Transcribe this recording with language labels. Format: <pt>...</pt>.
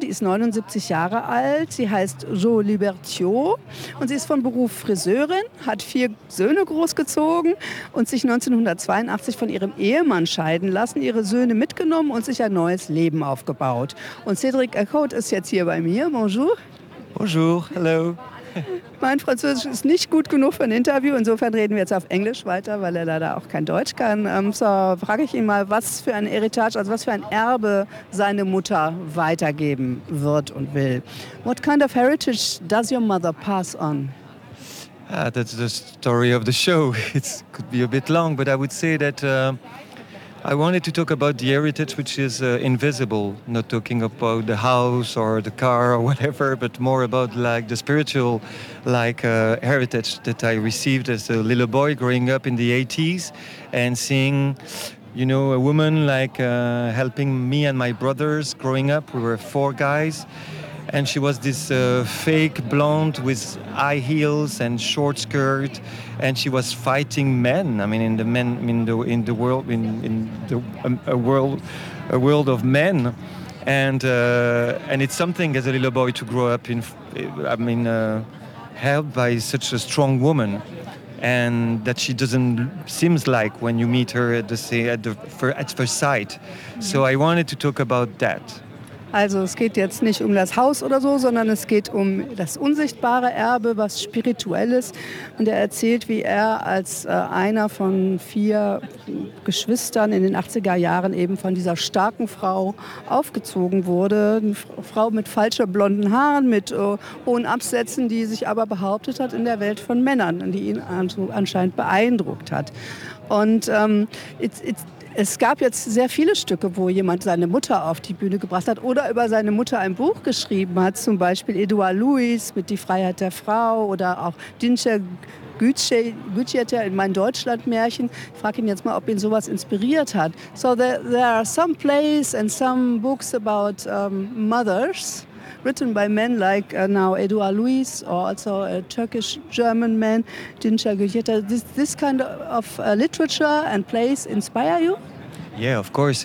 <de>Die ist 79 Jahre alt, sie heißt Jo Libertiot und sie ist von Beruf Friseurin, hat 4 Söhne großgezogen und sich 1982 von ihrem Ehemann scheiden lassen, ihre Söhne mitgenommen und sich ein neues Leben aufgebaut. Und Cédric Eckhout ist jetzt hier bei mir. Bonjour.</de> <fr>Bonjour, hello.</fr> <de>Mein Französisch ist nicht gut genug für ein Interview. Insofern reden wir jetzt auf Englisch weiter, weil er leider auch kein Deutsch kann. So frage ich ihn mal, was für ein Heritage, also was für ein Erbe seine Mutter weitergeben wird und will.</de> <en>What kind of heritage does your mother pass on? That's the story of the show. It could be a bit long, but I would say that I wanted to talk about the heritage which is invisible, not talking about the house or the car or whatever, but more about like the spiritual heritage that I received as a little boy growing up in the 80s and seeing, you know, a woman like helping me and my brothers growing up. We were four guys. And she was this fake blonde with high heels and short skirt, and she was fighting men. I mean, in the world of men, and it's something as a little boy to grow up in. I mean, helped by such a strong woman, and that she doesn't seems like when you meet her at first sight. Mm-hmm. So I wanted to talk about that.</en> <de>Also es geht jetzt nicht um das Haus oder so, sondern es geht um das unsichtbare Erbe, was Spirituelles. Und er erzählt, wie er als einer von vier Geschwistern in den 80er Jahren eben von dieser starken Frau aufgezogen wurde. Eine Frau mit falscher blonden Haaren, mit hohen Absätzen, die sich aber behauptet hat in der Welt von Männern, die ihn anscheinend beeindruckt hat. Und es gab jetzt sehr viele Stücke, wo jemand seine Mutter auf die Bühne gebracht hat oder über seine Mutter ein Buch geschrieben hat, zum Beispiel Edouard Louis mit Die Freiheit der Frau oder auch Dinscher Gütscher in Mein Deutschland-Märchen. Ich frage ihn jetzt mal, ob ihn sowas inspiriert hat.</de> <en>So there are some plays and some books about mothers written by men like now Edouard Louis or also a Turkish-German man, Dinscher Gütscher. This kind of literature and plays inspire you? Yeah, of course.</en>